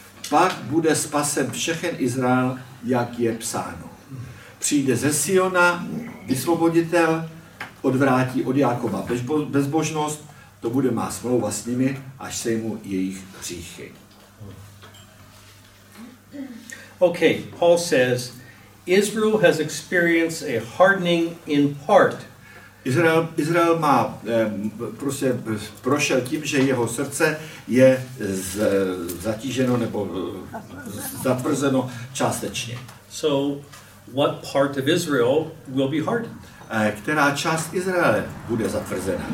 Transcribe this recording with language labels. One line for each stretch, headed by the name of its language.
Czech: Pak bude spasen všechen Izrael, jak je psáno. Přijde ze Siona, vysvoboditel, odvrátí od Jákoba bezbožnost, to bude má smlouva s nimi, až sejmu jejich hříchy.
English: Okay, Paul says, Israel has experienced a hardening in part.
Czech: Izrael má prostě prošel tím, že jeho srdce je zatíženo nebo zatvrzeno částečně.
English: So what part of Israel will be hardened?
Czech: Která část Izraele bude zatvrzena?